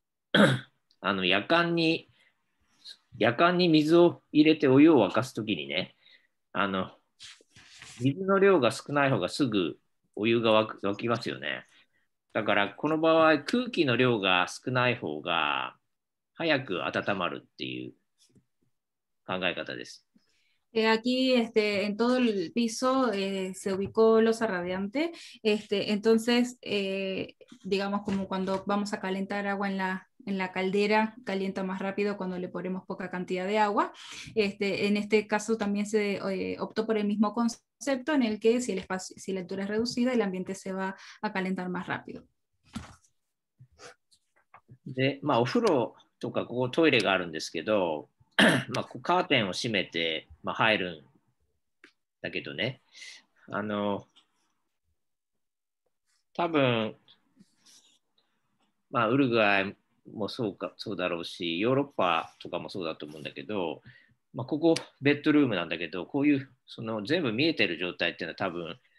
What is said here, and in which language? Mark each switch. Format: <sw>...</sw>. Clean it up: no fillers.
<ja>なぜかっていうと、これ全部床暖房のパイピングがこう入ってるんですけど、全部の床に。で、夜間に、 夜間に水を入れてお湯を沸かすときにね、水の量が少ない方がすぐお湯が沸きますよね。だからこの場合空気の量が少ない方が早く温まるっていう考え方です。</ja> <es>Aquí en todo el piso se ubicó losa radiante. Entonces, digamos como cuando vamos a calentar agua en la caldera, calienta más rápido cuando le ponemos poca cantidad de agua. En este caso también se optó por el mismo concepto en el que si el espacio, si la altura es reducida, el ambiente se va a calentar más rápido.</es> <ja>お風呂とかここトイレがあるんですけど カーテンを閉めて入るんだけどね、多分ウルグアイもそうだろうし、ヨーロッパとかもそうだと思うんだけど、ここベッドルームなんだけど、こういう全部見えてる状態っていうのは多分</ja>